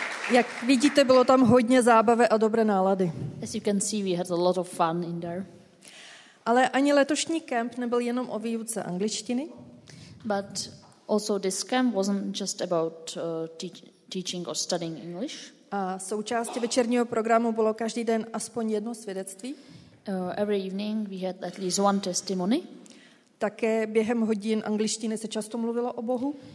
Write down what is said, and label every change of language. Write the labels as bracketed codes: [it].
[cs] Jak vidíte, bylo tam hodně zábavy a dobré nálady. [en] As you can see, we had a lot of fun in there. [cs] Ale ani letošní kemp nebyl jenom o výuce angličtiny. [en] But also this camp wasn't just about teaching or studying English. [cs] A součástí večerního programu bylo každý den aspoň jedno svědectví. [en] Every evening we had at least one testimony. [cs] Také během hodin angličtiny se často mluvilo o Bohu.